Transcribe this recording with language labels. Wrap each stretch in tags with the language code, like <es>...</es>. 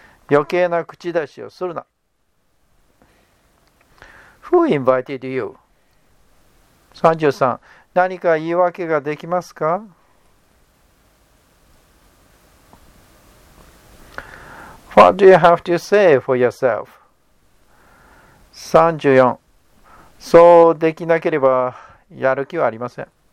<ja>余計な口出しをするな。</ja> <en>Who invited you? 33.</en> <ja>何か言い訳ができますか?</ja> <en>What do you have to say for yourself? 34.</en> <ja>そうできなければやる気はありません。</ja>